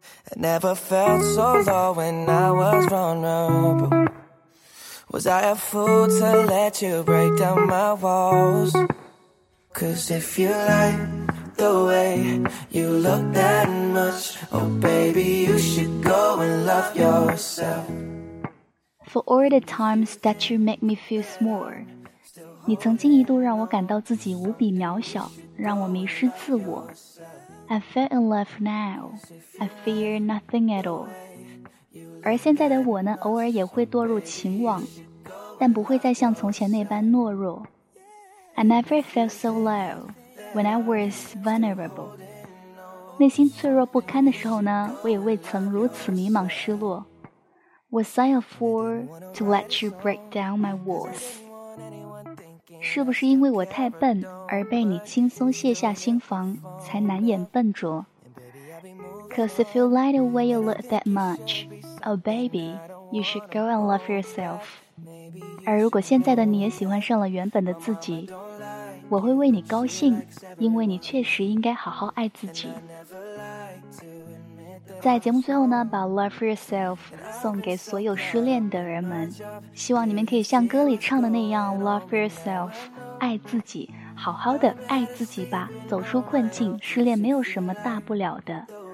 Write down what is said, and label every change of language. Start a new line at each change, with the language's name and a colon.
English: I never felt so low when I was vulnerable. Was I a fool to let you break down my walls? 'Cause if you like the way you look that much, oh baby, you should go and love yourself. For all the times that you make me feel small,
Chinese: 你曾经一度让我感到自己无比渺小，让我迷失自我。
English: I fell in love now, I fear nothing at all.
Chinese: 而现在的我呢，偶尔也会堕入情网，但不会再像从前那般懦弱。
English: I never felt so low when I was vulnerable.
Chinese: 内心脆弱不堪的时候呢，我也未曾如此迷茫失落。
English: Was I a fool to let you break down my walls?
Chinese: 是不是因为我太笨而被你轻松卸下心防，才难掩笨拙？
English: 'Cause if you lie the way you look that much, oh baby, you should go and love yourself.
Chinese: 而如果现在的你也喜欢上了原本的自己，我会为你高兴，因为你确实应该好好爱自己。在节目最后呢，把 Love Yourself 送给所有失恋的人们，希望你们可以像歌里唱的那样 Love Yourself 爱自己，好好的爱自己吧，走出困境，失恋没有什么大不了的。